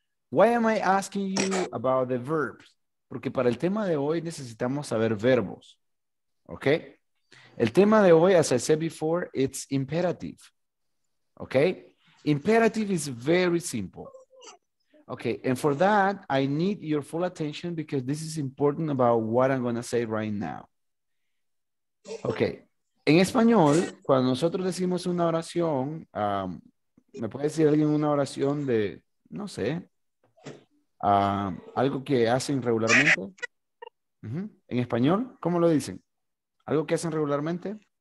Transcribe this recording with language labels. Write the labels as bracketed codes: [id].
[en] Why am I asking you about the verbs? [es] Porque para el tema de hoy necesitamos saber verbos. [en] Okay? [es] El tema de hoy, [en] as I said before, it's imperative. Okay? Imperative is very simple. Okay, and for that, I need your full attention because this is important about what I'm going to say right now. Okay. [es] En español, cuando nosotros decimos una oración, ¿me puede decir alguien una oración de, no sé, algo que hacen regularmente? Uh-huh. ¿En español? ¿Cómo lo dicen? ¿Algo que hacen regularmente?